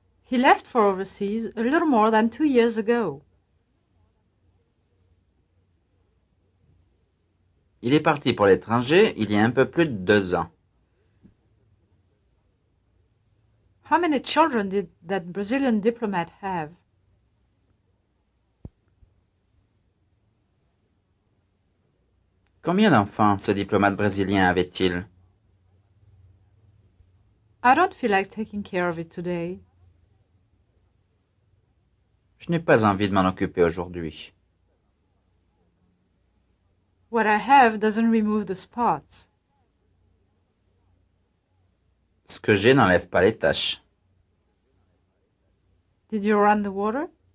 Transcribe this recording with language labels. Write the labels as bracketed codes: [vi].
[en] He left for overseas a little more than 2 years ago. [fr] Il est parti pour l'étranger il y a un peu plus de 2 ans. [en] How many children did that Brazilian diplomat have? [fr] Combien d'enfants ce diplomate brésilien avait-il? [en] I don't feel like taking care of it today. [fr] Je n'ai pas envie de m'en occuper aujourd'hui. [en] What I have doesn't remove the spots. [fr] Ce que j'ai n'enlève pas les taches. [en] Did you run the water?